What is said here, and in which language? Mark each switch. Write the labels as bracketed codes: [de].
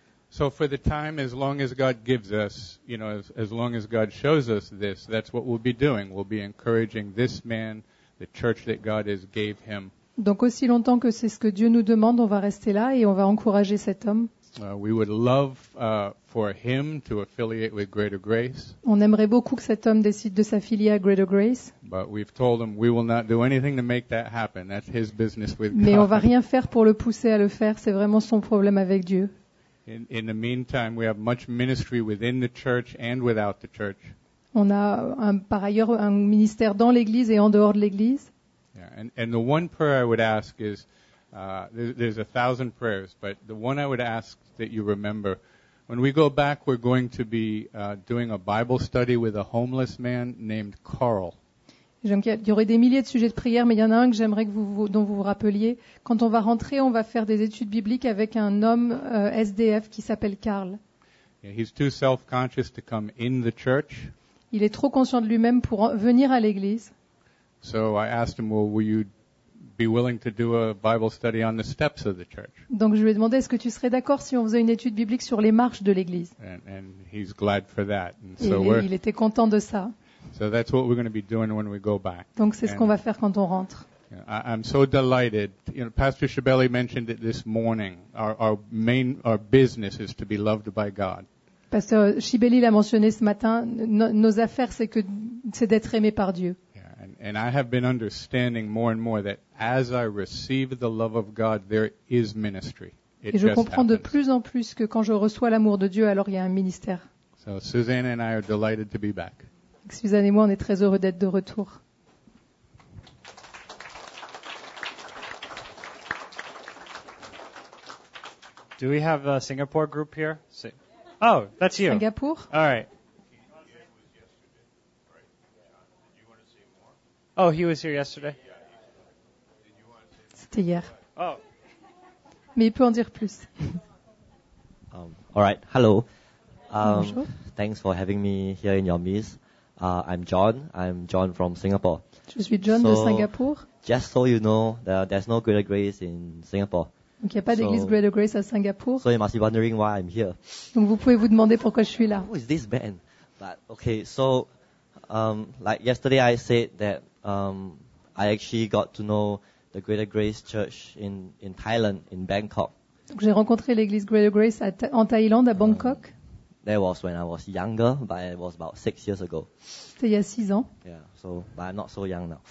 [en] So for the time, as long as God gives us, you know, as long as God shows us this, that's what we'll be doing. We'll be encouraging this man, the church that God has gave him. [fr] Donc aussi longtemps que c'est ce que Dieu nous demande, on va rester là et on va encourager cet homme. On aimerait beaucoup que cet homme décide de s'affilier à Greater Grace. [en] But we've told him we will not do anything to make that happen. That's his business with [fr] God. Mais on va rien faire pour le pousser à le faire. C'est vraiment son problème avec Dieu. [en] In the meantime, we have much ministry within the church and without the church. [fr] On a par ailleurs un ministère dans l'église et en dehors de l'église. [en] Yeah, and the one prayer I would ask is there's 1,000 prayers, but the one I would ask that you remember. When we go back, we're going to be doing a Bible study with a homeless man named Carl. [fr] Il y aurait des milliers de sujets de prière, mais il y en a un que j'aimerais que dont vous vous rappeliez. Quand on va rentrer, on va faire des études bibliques avec un homme SDF qui s'appelle Carl. [en] Yeah, he's too self-conscious to come in the church. [fr] Il est trop conscient de lui-même pour venir à l'église. [en] So I asked him, well, will you be willing to do a Bible study on the steps of the church? [fr] Donc je lui ai demandé, est-ce que tu serais d'accord si on faisait une étude biblique sur les marches de l'église? [en] And he's glad for that. And [fr] so il était content de ça. [en] So that's what we're going to be doing when we go back. [fr] Donc c'est ce qu'on va faire quand on rentre. [en] I'm so delighted. You know, Pastor Shibeli mentioned it this morning. Our business is to be loved by God. [fr] Pasteur Shibeli l'a mentionné ce matin. Nos affaires, c'est d'être aimé par Dieu. [en] And I have been understanding more and more that as I receive the love of God, there is ministry. [fr] Et je comprends de plus en plus que quand je reçois l'amour de Dieu, alors il y a un ministère. [en] So Suzanne and I are delighted to be back. [fr] Suzanne et moi, on est très heureux d'être de retour. [en] Do we have a Singapore group here? Oh, that's you. [fr] Singapour. [en] All right. Oh, he was here yesterday. [fr] C'était hier. Oh. Mais il peut en dire plus. [en] All right. Hello. [fr] Bonjour. [en] Thanks for having me here in your midst. I'm John from Singapore. [fr] Je suis John de Singapour. [en] Just so you know, there's no greater grace in Singapore. [fr] Donc il n'y a pas d'église Greater Grace à Singapour. [en] So you must be wondering why I'm here. [fr] Donc vous pouvez vous demander pourquoi je suis là. [en] Who is this band? But okay, so like yesterday I said that I actually got to know the Greater Grace Church in Thailand, in Bangkok. [fr] Donc j'ai rencontré l'église Greater Grace en Thaïlande, à Bangkok. [en] That was when I was younger, but it was about 6 years ago. [fr] C'était il y a 6 ans. [en] Yeah, so but I'm not so young now.